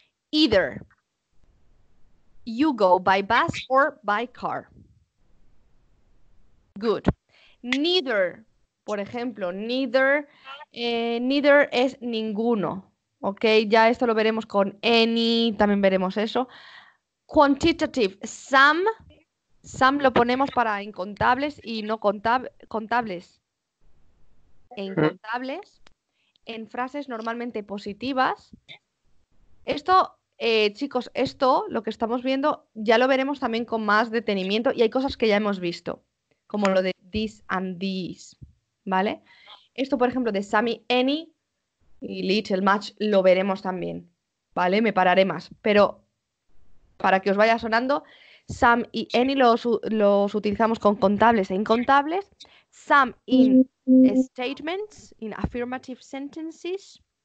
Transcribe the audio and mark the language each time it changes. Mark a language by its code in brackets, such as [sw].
[en] Either you go by bus or by car. Good. [es] Neither, por ejemplo, neither es ninguno. ¿Ok? Ya esto lo veremos con any, también veremos eso. Quantitative, some lo ponemos para incontables y no contables. En contables, en frases normalmente positivas. Esto, chicos, esto, lo que estamos viendo, ya lo veremos también con más detenimiento y hay cosas que ya hemos visto, como lo de this and these, ¿vale? Esto, por ejemplo, de Sammy, any y little much, lo veremos también, ¿vale? Me pararé más, pero para que os vaya sonando, some y any los utilizamos con contables e incontables. [en] Some in statements, in affirmative sentences.